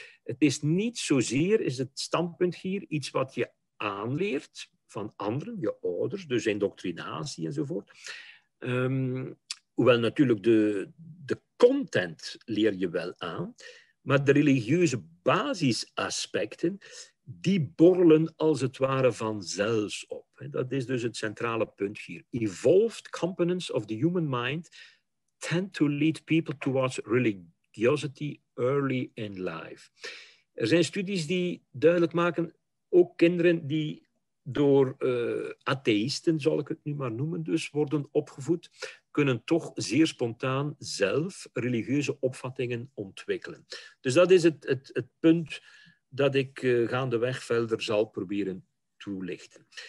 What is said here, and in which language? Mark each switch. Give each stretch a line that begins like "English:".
Dutch: Het is niet zozeer, is het standpunt hier, iets wat je aanleert van anderen, je ouders, dus indoctrinatie enzovoort. Hoewel natuurlijk de content leer je wel aan. Maar de religieuze basisaspecten, die borrelen als het ware vanzelfs op. Dat is dus het centrale punt hier.
English: Evolved components of the human mind tend to lead people towards religiosity early in life.
Dutch: Er zijn studies die duidelijk maken, ook kinderen die door atheïsten, zal ik het nu maar noemen, dus worden opgevoed, kunnen toch zeer spontaan zelf religieuze opvattingen ontwikkelen. Dus dat is het punt dat ik gaandeweg verder zal proberen toelichten.